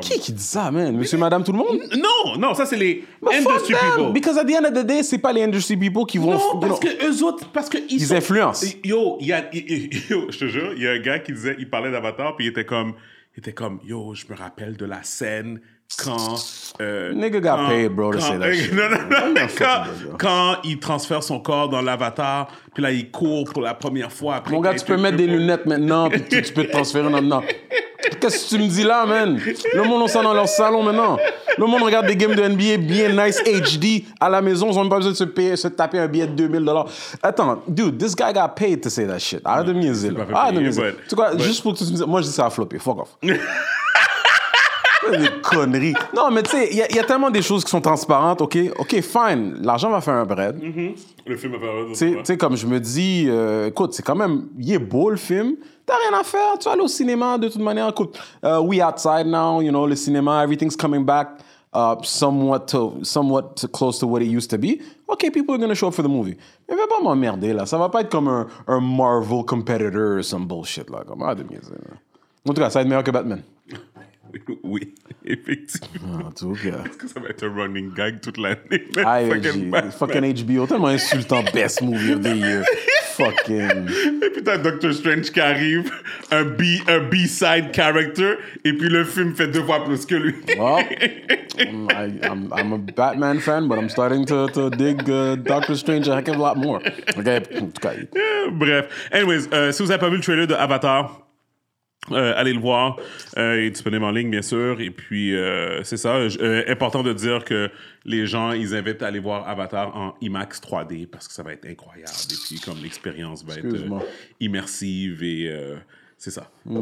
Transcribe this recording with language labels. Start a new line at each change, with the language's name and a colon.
French: qui dit ça, man? Monsieur, madame, tout le monde? Non, ça c'est les
English: But industry them, people. Because at the end of the day,
French: c'est pas les industry people qui vont. Parce qu'ils influencent. Je te jure, il y a un gars qui disait, il parlait d'Avatar, puis il était comme yo, je me rappelle de la scène quand.
English: Nigga got paid, bro, to say that shit.
French: Non, quand il transfère son corps dans l'avatar, puis là, il court pour la première fois. Après mon gars, tu peux mettre des lunettes maintenant, puis tu peux te transférer maintenant. Qu'est-ce que tu me dis là, man? Le monde, on sent dans leur salon maintenant. Le monde regarde des games de NBA bien nice HD à la maison. Ils n'ont même pas besoin de se taper un billet de 2 000 $. Attends,
English: dude, this guy got paid to say that shit.
French: Arrête de me dire. Tu vois, juste pour que tu me dises, moi, je dis ça a floppé.
English: Fuck off.
French: Des conneries. Non, mais tu sais, il y a tellement des choses qui sont transparentes, OK? OK, fine. L'argent va faire un bread. Mm-hmm. Le film va faire un bread. Tu sais, comme je me dis, écoute, c'est quand même... Il est beau, le film. T'as rien à faire. Tu vas aller au cinéma, de toute manière. Écoute,
English: we outside now, you know,
French: le cinéma,
English: everything's coming back somewhat to close to what it used to be. OK, people are going to show up for the movie.
French: Mais va pas m'emmerder, là. Ça va pas être comme un Marvel
English: competitor or some bullshit,
French: là. Comme, ah, de mieux. En tout cas, ça va être meilleur que Batman. Oui, effectivement. Ah, en tout cas. Est-ce que ça va être un running gag toute l'année?
English: Fucking HBO, tellement insultant, best movie of the year. Fucking.
French: Et puis t'as Doctor Strange qui arrive, un B-side character, et puis le film fait deux fois plus que lui.
English: Well, I'm a Batman fan, but I'm starting to dig Doctor Strange a heck of a lot more.
French: Okay, en tout cas. Yeah, bref. Anyways, si vous n'avez pas vu le trailer de Avatar, allez le voir, il est disponible en ligne, bien sûr, et puis c'est ça, important de dire que les gens, ils invitent à aller voir Avatar en IMAX 3D, parce que ça va être incroyable, et puis comme l'expérience va être immersive, et c'est ça. Mm-hmm.